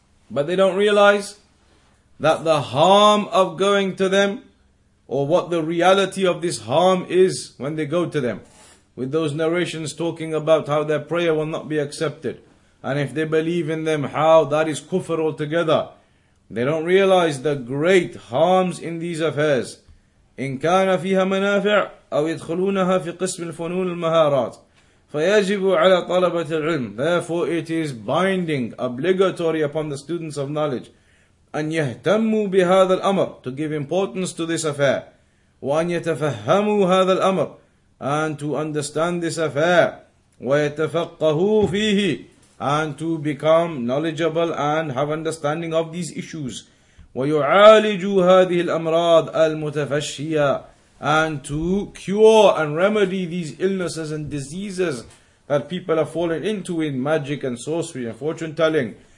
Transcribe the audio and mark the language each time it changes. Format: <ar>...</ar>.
<en>But they don't realize that the harm of going to them, or what the reality of this harm is when they go to them, with those narrations talking about how their prayer will not be accepted, and if they believe in them, how that is kufr altogether. They don't realize the great harms in these affairs.</en> <ar>إن كان فيها منافع أو يدخلونها في قسم الفنون المهارات فيجب على طلبة العلم.</ar> <en>Therefore it is binding, obligatory upon the students of knowledge.</en> <ar>أن يهتموا بهذا الأمر,</ar> <en>to give importance to this affair.</en> <ar>وأن يتفهموا هذا الأمر,</ar> <en>and to understand this affair.</en> <ar>ويتفقهوا فيه,</ar> <en>and to become knowledgeable and have understanding of these issues.</en> <ar>وَيُعَالِجُ هَذِهِ الْأَمْرَاضِ الْمُتَفَشِّيَةِ,</ar> <en>and to cure and remedy these illnesses and diseases that people have fallen into in magic and sorcery and fortune telling.</en>